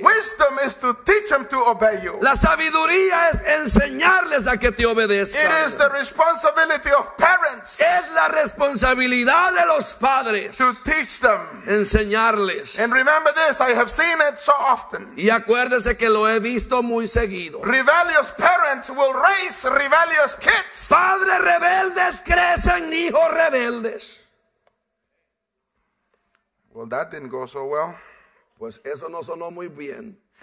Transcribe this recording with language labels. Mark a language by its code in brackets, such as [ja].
[en] wisdom is to teach them to obey you. [es] La sabiduría es enseñarles a que te obedezcan. [en] It is the responsibility of parents. [es] Es la responsabilidad de los padres. [en] To teach them. [es] Enseñarles. [en] And remember this, I have seen it so often. [es] Y acuérdese que lo he visto muy seguido. [en] Rebellious parents will raise rebellious kids. [es] Padres rebeldes crecen hijos rebeldes. [en] Well, that didn't go so well. [es] Pues eso no sonó muy bien.